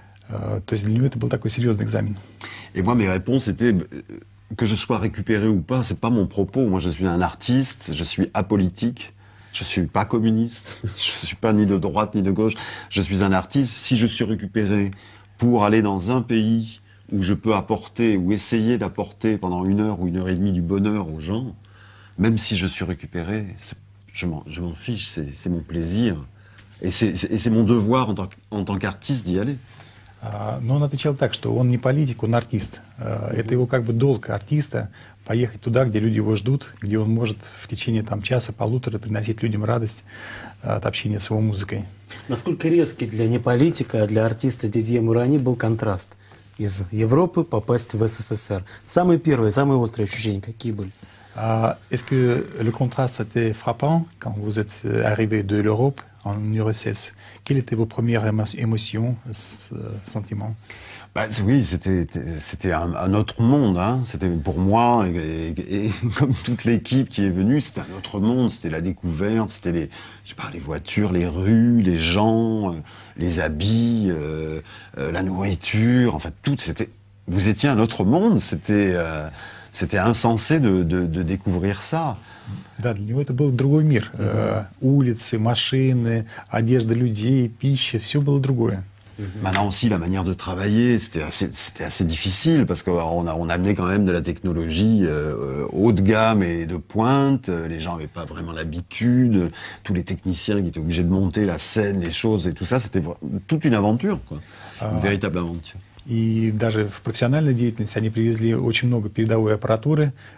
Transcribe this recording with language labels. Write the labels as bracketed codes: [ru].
[ru] То есть для него это был такой серьезный экзамен. И [fr] moi, mes réponses étaient... que je sois récupéré ou pas, c'est pas mon propos. Moi, je suis un artiste, je suis apolitique, je suis pas communiste, je suis pas ni de droite ni de gauche, je suis un artiste. Si je suis récupéré pour aller dans un pays où je peux apporter ou essayer d'apporter pendant une heure et demie du bonheur aux gens, même si je suis récupéré, je m'en fiche, c'est mon plaisir. Et c'est mon devoir en tant qu'artiste d'y aller. [ru] Но он отвечал так, что он не политик, он артист. Это его как бы долг артиста поехать туда, где люди его ждут, где он может в течение там, часа-полутора приносить людям радость от общения с его музыкой. Насколько резкий для неполитика, а для артиста Дидье Мурани был контраст из Европы попасть в СССР? Самые первые, самые острые ощущения какие были? [fr] Est-ce que le contraste était frappant quand vous êtes arrivé de l'Europe en URSS? Quelles étaient vos premières émotions, sentiments? Oui, c'était un autre monde. Hein. C'était pour moi et comme toute l'équipe qui est venue, c'était un autre monde. C'était la découverte, c'était les voitures, les rues, les gens, les habits, la nourriture. Enfin, tout, c'était. Vous étiez un autre monde. C'était insensé de découvrir ça. [ru] Да, для него это был другой мир. Улицы, машины, одежда людей, пища, все было другое. [fr] Maintenant aussi, la manière de travailler, c'était assez difficile, parce qu'on amenait quand même de la technologie haut de gamme et de pointe. Les gens n'avaient pas vraiment l'habitude. Tous les techniciens qui étaient obligés de monter la scène, les choses et tout ça, c'était toute une aventure, quoi. Une véritable aventure. [ru] И даже в профессиональной деятельности они привезли очень много передовой аппаратуры.